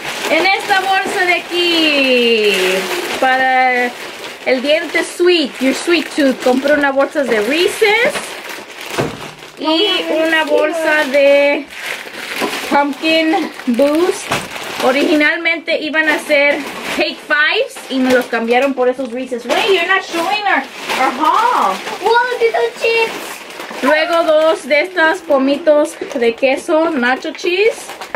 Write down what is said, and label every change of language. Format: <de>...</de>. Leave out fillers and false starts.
<es>En esta bolsa de aquí, para el diente</es> <en>sweet, your sweet tooth,</en> <es>compré una bolsa de Reese's. Y una bolsa de Pumpkin Boost. Originalmente iban a ser Take Fives y me los cambiaron por esos Reese's.</es> <en>Wait, you're not showing our haul. Whoa, look at those chips.</en> <es>Luego dos de estos pomitos de queso, nacho cheese.</es>